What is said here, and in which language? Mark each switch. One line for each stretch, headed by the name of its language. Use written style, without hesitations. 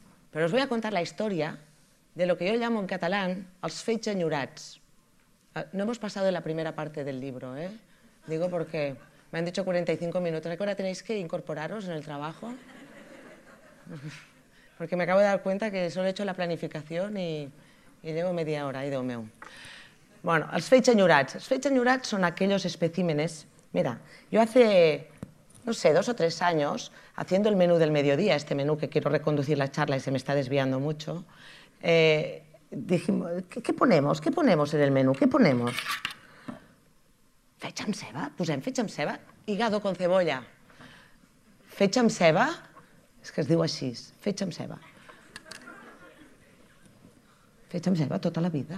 Spanish: Pero os voy a contar la historia de lo que yo llamo en catalán els fets enyorats. No hemos pasado la primera parte del libro, ¿eh? Digo porque me han dicho 45 minutos. ¿A qué hora tenéis que incorporaros en el trabajo? Porque me acabo de dar cuenta que solo he hecho la planificación y llevo media hora, ahí domeo. Bueno, els fets enyorats. Els fets enyorats son aquellos especímenes. Mira, yo hace, no sé, 2 o 3 años, haciendo el menú del mediodía, este menú que quiero reconducir la charla y se me está desviando mucho, dijimos, ¿qué ponemos? ¿Qué ponemos en el menú? ¿Qué ponemos?
Catalan: Fetge amb ceba, posem fetge amb ceba,
Spanish: higado con cebolla.
Catalan: Fetge amb ceba, és que es diu així, fetge amb ceba. Fetge amb ceba tota la vida.